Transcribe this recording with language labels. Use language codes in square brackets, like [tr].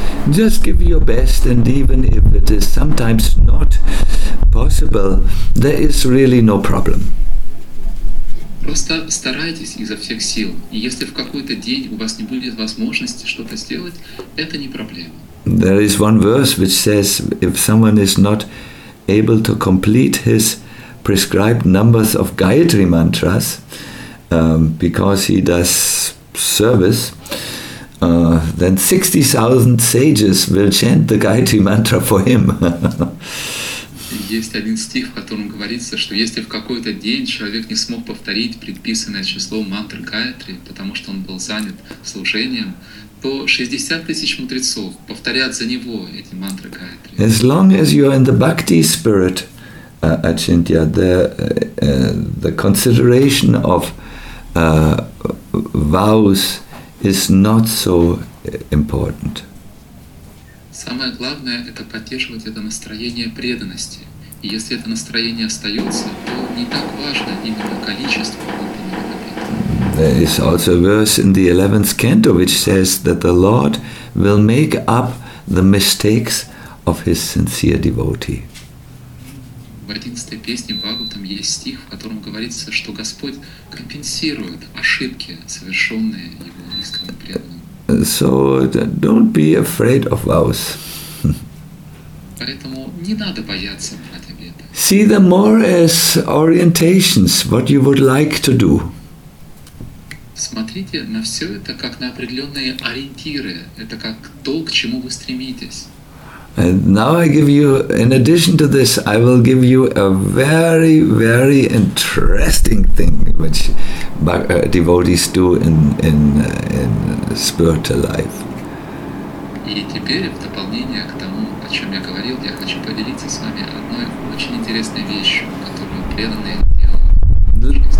[en] Just give your best, and even if it is sometimes not possible, there is really no problem. [ru] Просто старайтесь изо всех сил, и если в какой-то день у вас не будет возможности что-то сделать, это не проблема. [en] There is one verse which says, if someone is not able to complete his prescribed numbers of Gayatri mantras because he does service, then 60,000 sages will chant the Gayatri mantra for him. [ru] Есть один стих, в котором говорится, что если в какой-то день человек не смог повторить предписанное число мантр Гаятри, потому что он был занят служением, то 60 тысяч мудрецов повторят за него эти мантры Гаятри. [en] As long as you are in the bhakti spirit, Ачинтья, the consideration of vows is not so important. [ru] Самое главное – это поддерживать это настроение преданности. И если это настроение остается, то не так важно именно количество выполненных обетов. [en] There is also a verse in the 11th canto which says that the Lord will make up the mistakes of his sincere devotee. [ru] В 11-й песне Бхагаватам есть стих, в котором говорится, что Господь компенсирует ошибки, совершенные его искренне преданным. [en] So don't be afraid of vows. [ru] Поэтому не надо бояться брать обеты. [en] See them more as orientations, what you would like to do. [ru] Смотрите на все это как на определенные ориентиры. Это как то, к чему вы стремитесь. [en] And now I give you, in addition to this, I will give you a very, very interesting thing which devotees do in spiritual life. [ru] И теперь, в дополнение к тому, о чем я говорил, я хочу поделиться с вами одной очень интересной вещью, которую преданные делают.